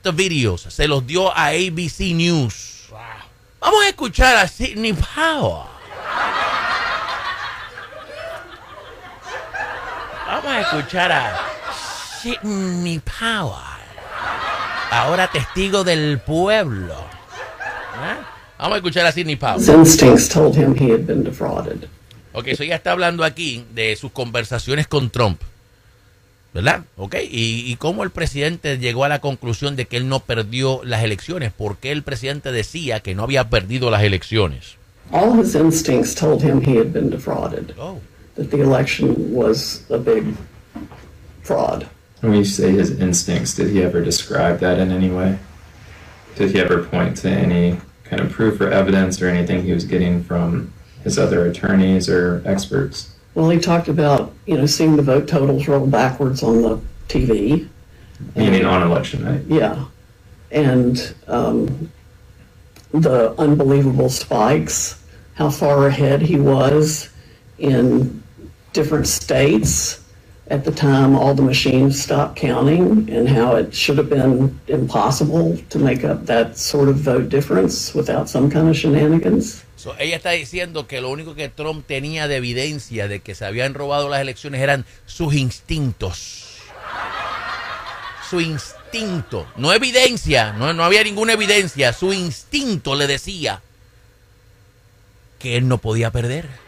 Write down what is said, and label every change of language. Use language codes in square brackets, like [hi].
[en] the videos, [es] se los dio a ABC News. Wow. Vamos a escuchar a Sidney Powell. Vamos a escuchar a Sidney Powell, ahora testigo del pueblo. ¿Eh? Vamos a escuchar a Sidney Powell. [en] His instincts told him he had been defrauded. [es] Okay, so ella está hablando aquí de sus conversaciones con Trump, ¿verdad? Okay, y cómo el presidente llegó a la conclusión de que él no perdió las elecciones, porque el presidente decía que no había perdido las elecciones. [en] All his instincts told him he had been defrauded. Oh. That the election was a big fraud. When you say his instincts, did he ever describe that in any way? Did he ever point to any kind of proof or evidence or anything he was getting from his other attorneys or experts? Well, he talked about, you know, seeing the vote totals roll backwards on the TV. Meaning on election night? Yeah. And the unbelievable spikes, how far ahead he was in different states, at the time all the machines stopped counting and how it should have been impossible to make up that sort of vote difference without some kind of shenanigans. [es] So ella está diciendo que lo único que Trump tenía de evidencia de que se habían robado las elecciones eran sus instintos. Su instinto, no evidencia, no, no había ninguna evidencia, su instinto le decía que él no podía perder.